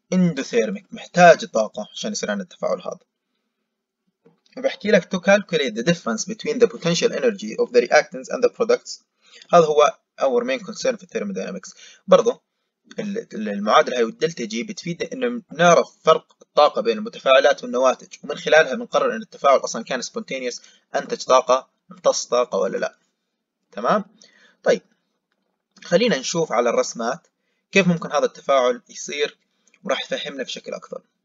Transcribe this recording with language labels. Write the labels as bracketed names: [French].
[Arabic] اندوثيرميك، محتاج طاقة عشان يصير عندنا التفاعل هذا. فبحكي لك [English] to calculate the difference between the potential energy of the reactants and the products. [Arabic] هذا هو [English] our main concern [Arabic] في thermodynamics. برضو المعادلة هاي والدلتا جي بتفيدنا انه نعرف فرق الطاقة بين المتفاعلات والنواتج، ومن خلالها بنقرر ان التفاعل اصلا كان spontaneous، انتج طاقة، امتص طاقة ولا لا. تمام؟ طيب خلينا نشوف على الرسمات كيف ممكن هذا التفاعل يصير، وراح يفهمنا بشكل اكثر.